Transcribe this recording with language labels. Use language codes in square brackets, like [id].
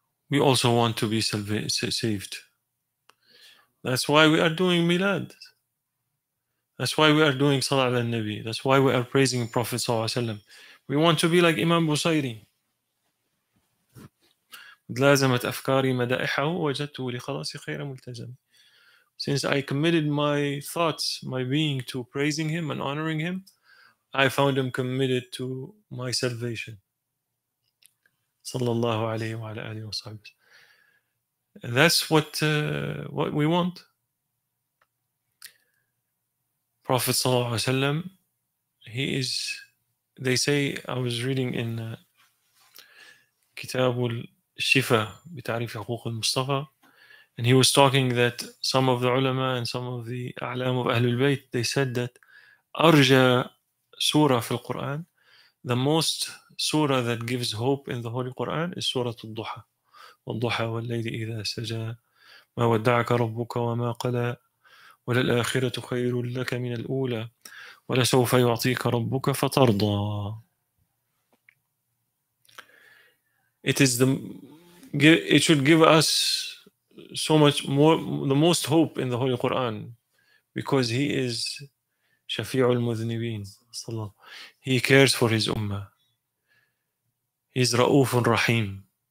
[en] We also want to be saved. That's why we are doing milad. That's why we are doing salat ala nabi. That's why we are praising Prophet sallallahu alaihi wasallam. We want to be like Imam Busayri. [ar] لازمت أفكاري مدائحه وجدته لخلاص خير ملتزم. [en] Since I committed my thoughts, my being to praising him and honoring him, I found him committed to my salvation. [ar] صلى الله عليه وعلى آله وصحبه. [en] That's what we want. Prophet [ar] صلى الله عليه وسلم, [en] he is, they say, I was reading in كتاب الشفاه بتعريف حقوق المصطفى, and he was talking that some of the ulama and some of the a'lam of Ahlul Bayt, they said that [ar] أرجى سورة في القرآن, [en] the most surah that gives hope in the Holy Quran is Surah Al-Duha. [ar] والضحى والليل إذا سجى ما ودعك ربك وما قلى وللآخرة خير لك من الأولى ولسوف يعطيك ربك فترضى. [en] It should give us so much more, the most hope in the Holy Quran, because he is Shafi'ul Mudhnibin. He cares for his ummah. He is Ra'ufun Rahim.